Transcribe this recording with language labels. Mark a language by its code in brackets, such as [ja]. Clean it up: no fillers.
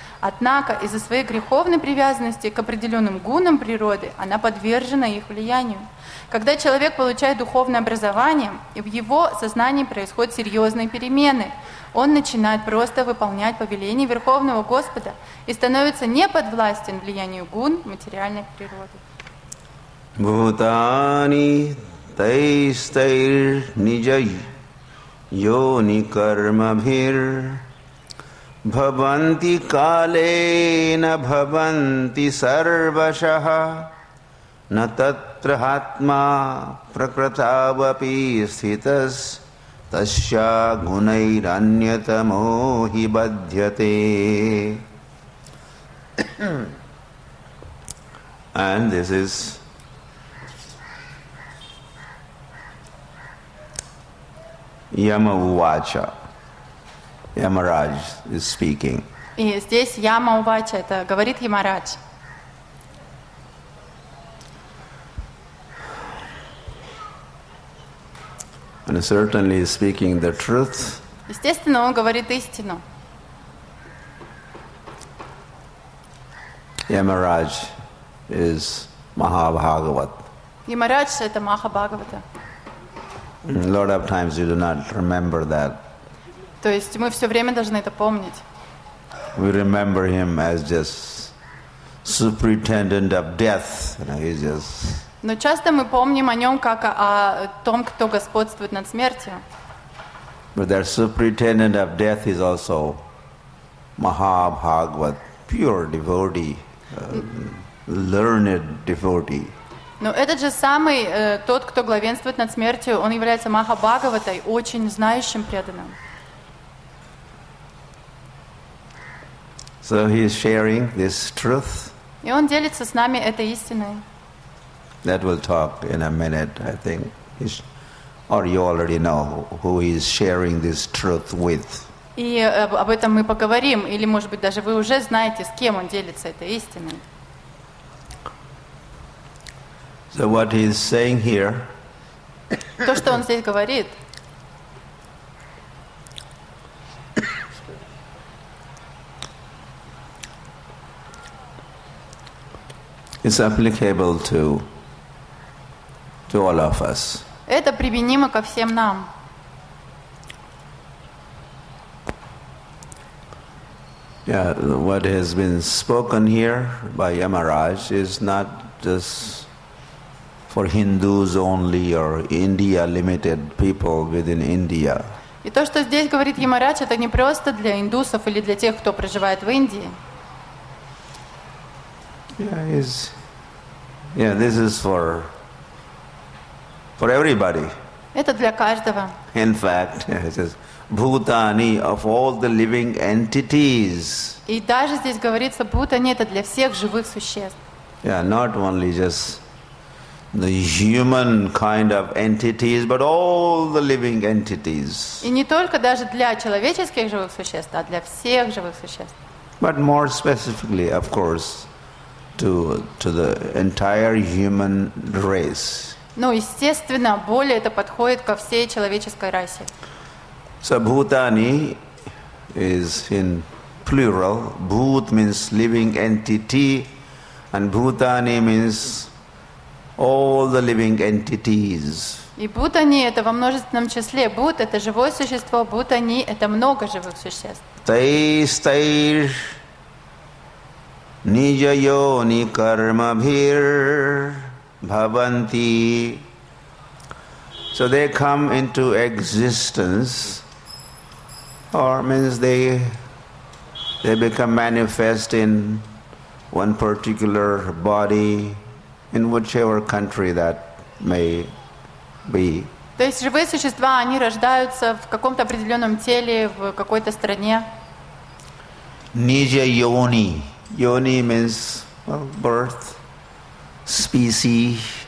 [ru] Однако из-за своей греховной привязанности к определенным гунам природы она подвержена их влиянию. Когда человек получает духовное образование, и в его сознании происходят серьезные перемены, он начинает просто выполнять повеления Верховного Господа и становится не подвластен влиянию гун материальной природы. [sa] Бхутани тайстайр ниджай йони кармабхир Bhavanti kalena bhavanti sarvashaha na tatra hatma prakratavapi sthitas tasya gunair anyatamo hi badhyate. [en] And this is [sa] Yama Uvacha. [en] Yamaraj is speaking. [ru] И здесь [sa] Яма Увача, [ru] это говорит Ямарадж. [en] And certainly speaking the truth. [ru] Естественно, он говорит истину. [en] Yamaraj is Mahabhagavat. [ru] Ямарадж это Махабхагавата. [en] A lot of times you do not remember that. [ru] То есть мы все время должны это помнить. [en] We remember him as just superintendent of death. He's just... [ru] Но часто мы помним о нем как о том, кто господствует над смертью. [en] But that superintendent of death is also Mahabhagavat, pure devotee, learned devotee. [ru] Но этот же самый тот, кто главенствует над смертью, он является Махабхагаватой, очень знающим преданным. [en] So he is sharing this truth. [ru] И он делится с нами этой истиной. [en] That we'll talk in a minute, I think. Or you already know who he is sharing this truth with. [ru] И об этом мы поговорим, или, может быть, даже вы уже знаете, с кем он делится этой истиной. [en] So what he is saying here, [ru] то, что он здесь говорит, [en] is applicable to all of us. [ru] Это применимо ко всем нам. [en] Yeah, what has been spoken here by Yamaraj is not just for Hindus only or India limited people within India. [ru] И то, что здесь говорит Ямарадж, это не просто для индусов или для тех, кто проживает в Индии. [en] This is for everybody. [ru] Это для каждого. [en] In fact, it says Bhutani of all the living entities. [ru] И даже здесь говорится Бхутани это для всех живых существ. [en] Yeah, not only just the human kind of entities, but all the living entities. [ru] И не только даже для человеческих живых существ, а для всех живых существ. [en] But more specifically, of course, to the entire human race. [ru] Ну, естественно, более это подходит ко всей человеческой расе. [en] So Bhutani is in plural. Bhut means living entity, and Bhutani means all the living entities. [ru] И Бхутани это во множественном числе. Бхут это живое существо, Бхутани это много живых существ. [sa] Тайстайш нижайони кармабхир бхаванти. [en] So they come into existence, or means they become manifest in one particular body, in whichever country that may be. [ru] То есть живые существа, они рождаются в каком-то определенном теле, в какой-то стране. [sa] Nija yoni. [en] Yoni means birth, species.